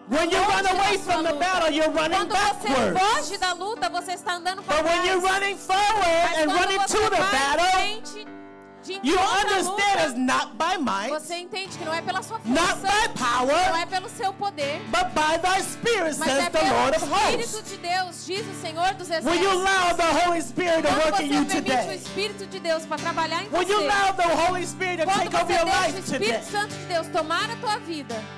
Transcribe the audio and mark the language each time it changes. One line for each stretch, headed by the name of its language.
English: When you run away from the battle, you're running backwards.
Portuguese: Quando você foge da luta, você está andando para trás.
English: But when you're running forward and running to the battle, you understand it's not by might.
Portuguese: Você entende que não é pela sua força.
English: Not by power.
Portuguese: Não é pelo seu poder.
English: But by thy spirit, says the Lord of hosts.
Portuguese: Mas é pelo Espírito de Deus, diz o Senhor dos Exércitos.
English: When you allow the Holy Spirit to work in you today.
Portuguese: Quando você permite o Espírito de Deus para trabalhar em você.
English: When you allow the Holy Spirit to take over your life today.
Portuguese: Quando você deixa o Espírito Santo de Deus tomar a tua vida.